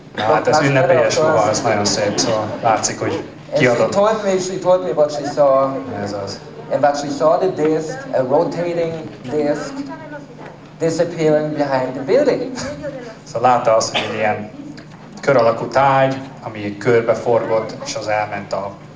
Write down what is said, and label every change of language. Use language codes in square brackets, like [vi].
[hu] Hát ez ünnepélyes ruha, ez nagyon szép, szóval látszik, hogy kiadott. [en] And she told me what she saw. [hu] Ez az. [en] And what she saw, the disc, a rotating disc, disappearing behind the building. [hu] Szóval látta azt, hogy ilyen kör alakú tárgy, ami körbeforgott, és az elment a